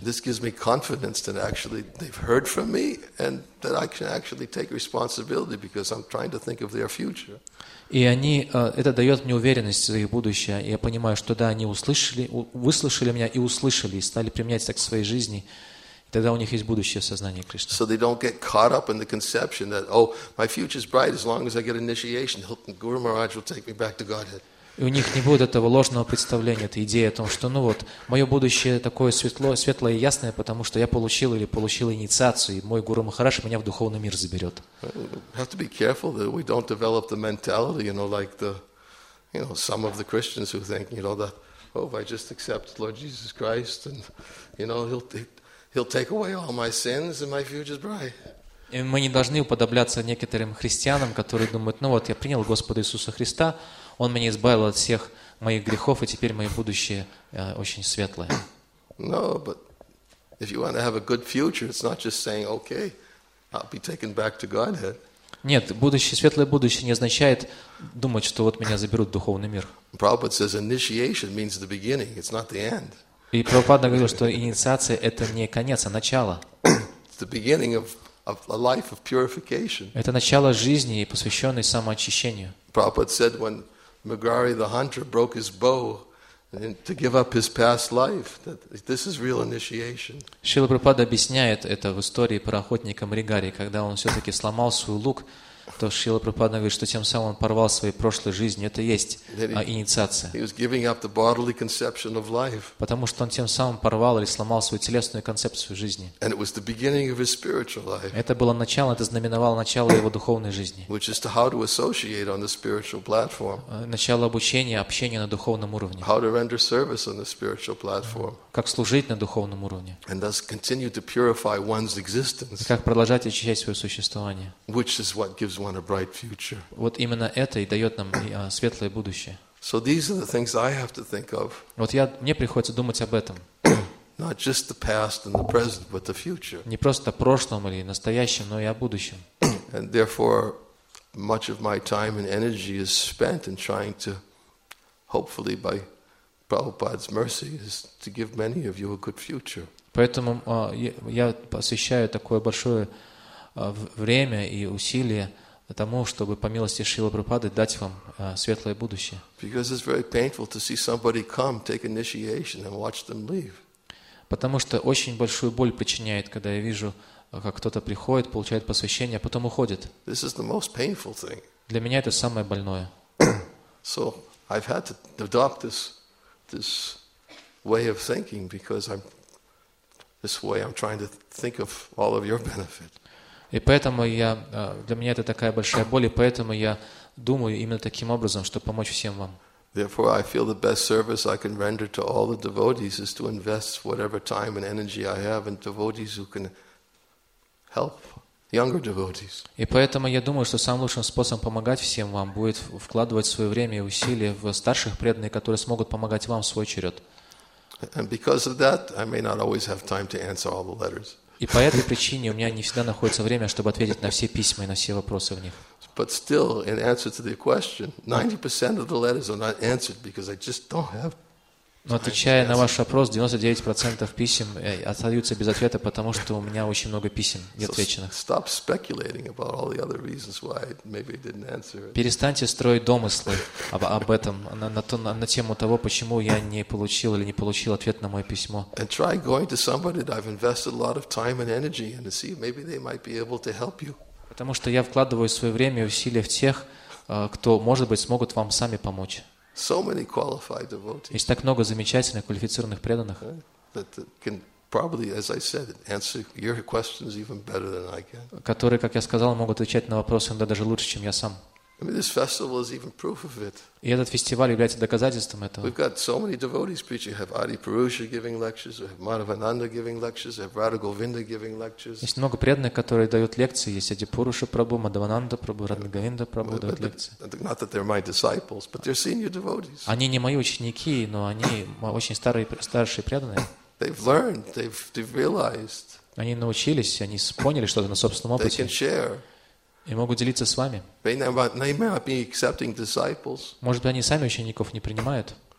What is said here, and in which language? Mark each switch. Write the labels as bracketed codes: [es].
[en] This gives me confidence that actually they've heard from me and that I can actually take responsibility because I'm trying to think of their future. [ru] И они, это дает мне уверенность за их будущее. Я понимаю, что да, они услышали, выслушали меня и услышали, и стали применять это к своей жизни. Тогда у них есть будущее в сознании Кришны. [en] So they don't get caught up in the conception that, oh, my future is bright as long as I get initiation. Guru Maharaj will take me back to Godhead. [ru] И у них не будет этого ложного представления, этой идеи о том, что, ну вот, мое будущее такое светлое и ясное, потому что я получил или получил инициацию, и мой Гуру Махараш меня в духовный мир заберет. [en] We have to be careful that we don't develop the mentality, you know, like the, you know, some of the Christians who think, you know, that, oh, if I just accept Lord Jesus Christ, and, you know, he'll take away all my sins, and my future is bright. [ru] И мы не должны уподобляться некоторым христианам, которые думают, ну вот, я принял Господа Иисуса Христа, Он меня избавил от всех моих грехов, и теперь мое будущее очень светлое. [en] No, but if you want to have a good future, it's not just saying, okay, I'll be taken back to Godhead. [ru] Нет, будущее, светлое будущее не означает думать, что вот меня заберут в духовный мир. [en] Prabhupada says initiation means the beginning, it's not the end. [ru] И Прабхупада говорил, что инициация – это не конец, а начало. [en] It's the beginning of a life of purification. [ru] Это начало жизни, посвященной самоочищению. [en] Prabhupada said when Megari the hunter broke his bow to give up his past life, that this is real initiation. [ru] Шрила Прабхупада объясняет это в истории про охотника Мригари, когда он все-таки сломал свой лук, то Шрила Прабхупада говорит, что тем самым он порвал свои прошлые жизни. Это есть инициация. [en] He was giving up the bodily conception of life. [ru] Потому что он тем самым порвал или сломал свою телесную концепцию жизни. [en] And it was the beginning of his spiritual life. [ru] Это было начало, это знаменовало начало его духовной жизни. [en] Which is to how to associate on the spiritual platform. [ru] Начало обучения, общения на духовном уровне. [en] How to render service on the spiritual platform. [ru] Как служить на духовном уровне. [en] And thus continue to purify one's existence. [ru] И как продолжать очищать свое существование. [en] Which is what gives one a bright future. [ru] Вот именно это и дает нам светлое будущее. [en] So these are the things I have to think of. [ru] Вот я мне приходится думать об этом. [en] Not just the past and the present, but the future. [ru] Не просто о прошлом или настоящем, но и о будущем. [en] And therefore, much of my time and energy is spent in trying to, hopefully by Prabhupada's mercy, is to give many of you a good future. [ru] Поэтому я посвящаю такое большое время и усилия тому, чтобы по милости Шрилы Прабхупады дать вам светлое будущее. [en] Because it's very painful to see somebody come, take initiation, and watch them leave. [ru] Потому что очень большую боль причиняет, когда я вижу, как кто-то приходит, получает посвящение, а потом уходит. [en] This is the most painful thing. [ru] Для меня это самое больное. [en] So I've had to adopt this way of thinking because I'm this way. I'm trying to think of all of your benefit. [ru] И поэтому я для меня это такая большая боль, и поэтому я думаю именно таким образом, чтобы помочь всем вам. [en] Therefore, I feel the best service I can render to all the devotees is to invest whatever time and energy I have in devotees who can help younger devotees. [ru] И поэтому я думаю, что самым лучшим способом помогать всем вам будет вкладывать свое время и усилия в старших преданных, которые смогут помогать вам в свой черед. [en] And because of that, I may not always have time to answer all the letters. [ru] И по этой причине у меня не всегда находится время, чтобы ответить на все письма и на все вопросы в них. [en] But still, in answer to the question, 90% of the letters are not answered because I just don't have. [ru] Но отвечая на ваш вопрос, 99% писем остаются без ответа, потому что у меня очень много писем неотвеченных. [en] Stop speculating about all the other reasons why maybe didn't answer. [ru] Перестаньте строить домыслы об этом на тему того, почему я не получил или не получил ответ на мое письмо. [en] And try going to somebody that I've invested a lot of time and energy in to see if maybe they might be able to help you. [ru] Потому что я вкладываю свое время и усилия в тех, кто, может быть, смогут вам сами помочь. [en] So many qualified devotees. [ru] Есть так много замечательных, квалифицированных преданных. [en] That can probably, as I said, answer your questions even better than I can. [ru] Которые, как я сказал, могут отвечать на вопросы иногда даже лучше, чем я сам. [en] I mean, this festival is even proof of it. [ru] И этот фестиваль является доказательством этого. [en] We've got so many devotees preaching. We have Adi Purusha giving lectures. We have Madhavananda giving lectures. We have Radha Govinda giving lectures. [ru] Есть много преданных, которые дают лекции. Есть Ади Пуруша Прабху, Мадхавананда Прабху, Радха Говинда Прабху дают лекции. [en] Not that they're my disciples, but they're senior devotees. [ru] Они не мои ученики, но они очень старшие преданные. [en] They've learned. They've realized. [ru] Они научились. Они поняли что-то на собственном опыте. [en] They can share. [ru] И могут делиться с вами. Может быть, они сами учеников не принимают.